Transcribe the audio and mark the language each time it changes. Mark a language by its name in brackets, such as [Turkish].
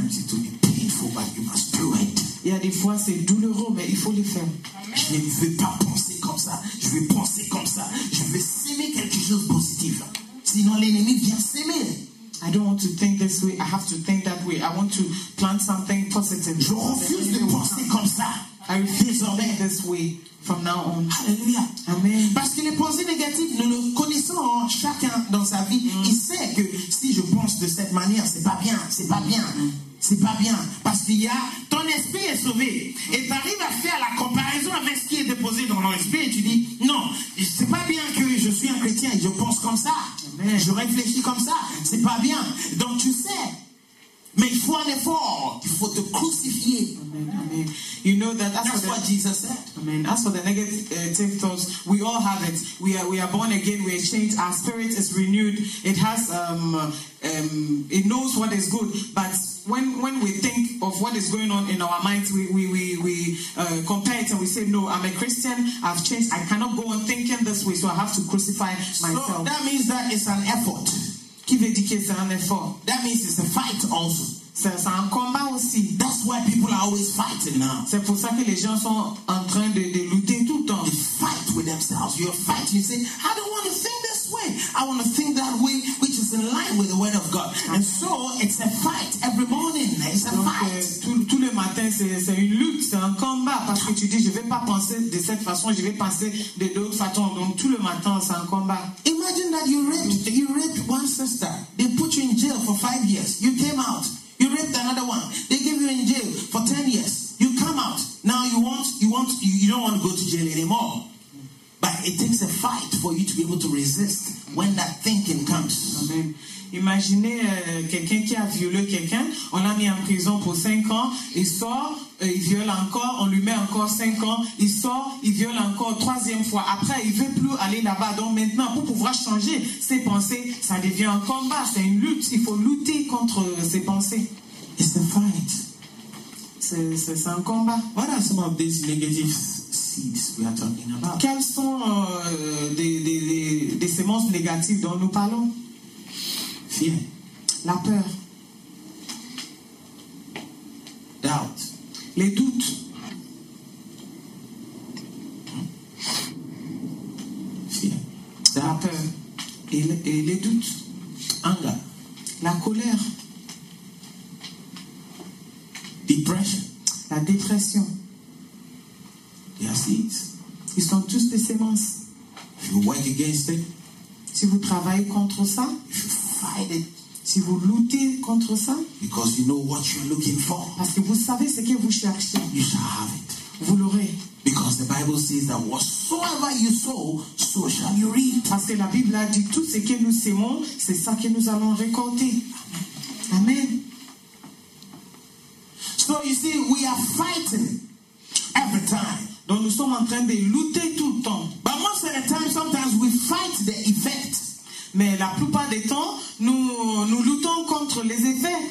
[English] It's too painful, but you must do it. [French] Il y a des fois c'est douloureux, mais il faut le faire. Je ne veux pas penser comme ça. Je veux penser comme ça. Je veux s'aimer quelque chose de positif. Sinon l'ennemi vient s'aimer. [English] I don't want to think this way. I have to think that way. I want to plant something positive. [French] Je refuse de penser comme ça. [English] I refuse to think this way from now on. Alléluia. Amen. [French] Parce que les pensées négatives, nous le connaissons, hein, chacun dans sa vie. Mm. Il sait que si je pense de cette manière, c'est pas bien. C'est pas bien. C'est pas bien. Parce qu'il y a ton esprit est sauvé. Et tu arrives à faire la comparaison avec ce qui est déposé dans ton esprit. Et tu dis, non, c'est pas bien que je suis un chrétien et je pense comme ça. Amen. Je réfléchis comme ça. C'est pas bien. Donc tu sais. Mais il faut un effort. Il faut te crucifier. [English] Amen. You know that that's what Jesus said. Amen. As for the negative thoughts, we all have it. We are born again. We are changed. Our spirit is renewed. It has it knows what is good. But when we think of what is going on in our minds, we compare it and we say, no, I'm a Christian. I've changed. I cannot go on thinking this way. So I have to crucify myself. So that means that it's an effort. [French] Qui veut dire que c'est un effort? [English] That means it's a fight also. [French] C'est un combat aussi. [English] That's why people are always fighting now. [French] C'est pour ça que les gens sont en train de lutter tout le temps. [English] They fight with themselves. You're fighting. You say, I don't want to think this way. I want to think that way, which is in line with the word of God. And so, it's a fight every morning. It's a fight. [French] Tous les matins, c'est une lutte. C'est un combat. Parce que tu dis, je ne vais pas penser de cette façon. Je vais penser de d'autres façons. Donc, tous les matins, c'est un combat. [English] Imagine that you raped one sister. They put you in jail for 5 years. You came out. You raped another one. They gave you in jail for 10 years. You come out. Now you don't want to go to jail anymore. But it takes a fight for you to be able to resist when that thinking comes. [French] Amen. Imaginez quelqu'un qui a violé quelqu'un. On l'a mis en prison pour 5 ans. Il sort, il viole encore. On lui met encore 5 ans. Il sort, il viole encore 3e fois. Après, il ne veut plus aller là-bas. Donc maintenant, pour pouvoir changer ses pensées, ça devient un combat. C'est une lutte. Il faut lutter contre ses pensées. [English] It's a fight. [French] C'est un combat. [English] What are some of these negative seeds we are talking about? [French] Quelles sont des semences négatives dont nous parlons? [English] Fear. [French] La peur. [English] Doubt. [French] Les doutes. [English] Fear. Doubt. [French] La peur. Et les doutes. [English] Anger. [French] La colère. [English] Depression. [French] La dépression. [English] They are seeds. [French] Ils sont tous des semences. [English] If you work against it. [French] Si vous travaillez contre ça. [English] If you fight it. [French] Si vous luttez contre ça. [English] Because you know what you're looking for. [French] Parce que vous savez ce que vous cherchez. [English] You shall have it. [French] Vous l'aurez. [English] Because the Bible says that whatsoever you sow, so shall you reap. [French] Parce que la Bible a dit tout ce que nous sémons, c'est ça que nous allons récolter. Amen. Amen. [English] So you see, we are fighting every time. [French] Donc nous sommes en train de lutter tout le temps. [English] But most of the time, sometimes we fight the effect. [French] Mais la plupart des temps, nous luttons contre les effets.